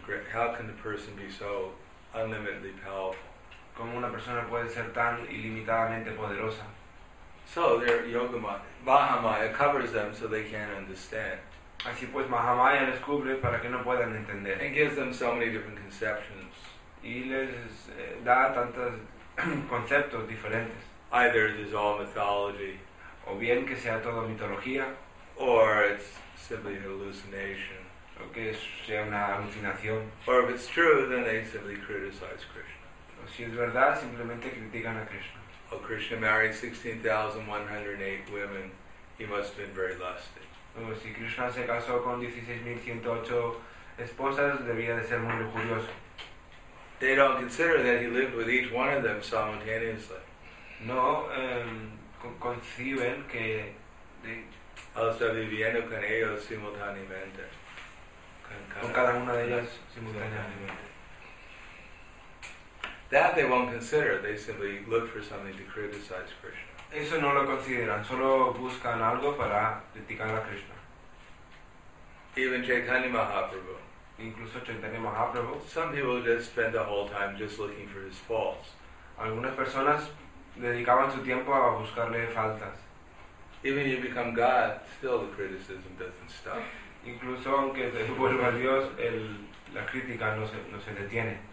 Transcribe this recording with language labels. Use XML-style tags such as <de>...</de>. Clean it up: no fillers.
<en>How can the person be so unlimitedly powerful?</en> <es>¿Cómo una persona puede ser tan ilimitadamente poderosa?</es> <en>So their yoga Mahamaya covers them so they can't understand.</en> <es>Así pues, Mahamaya les cubre para que no puedan entender.</es> <en>And gives them so many different conceptions.</en> <es>Y les da tantos conceptos diferentes.</es> <en>Either it is all mythology.</en> <es>O bien que sea todo mitología,</es> <en>or it's simply an hallucination,</en> <es>o que sea una alucinación,</es> <en>or if it's true, then they simply criticize Krishna.</en> <es>O si es verdad, simplemente critican a Krishna.</es> <en>Oh, Krishna married 16,108 women. He must have been very lusty.</en> <es>O si Krishna se casó con 16,108 esposas, debía de ser muy lujurioso.</es> <en>They don't consider that he lived with each one of them simultaneously.</en> <es>No. Conciben que está viviendo con ellos simultáneamente, con cada una de ellas simultáneamente.</es> <en>That they won't consider. They simply look for something to criticize Krishna.</en> <es>Eso no lo consideran. Solo buscan algo para criticar a Krishna.</es> <en>Even Chaitanya Mahaprabhu.</en> <es>Incluso Chaitanya Mahaprabhu.</es> <en>Some people just spend the whole time just looking for his faults.</en> <es>Algunas personas dedicaban su tiempo a buscarle faltas.</es> <en>Even you become God, still the criticism doesn't stop.</en> <es>Incluso aunque te vuelva Dios, la crítica no se detiene.</es>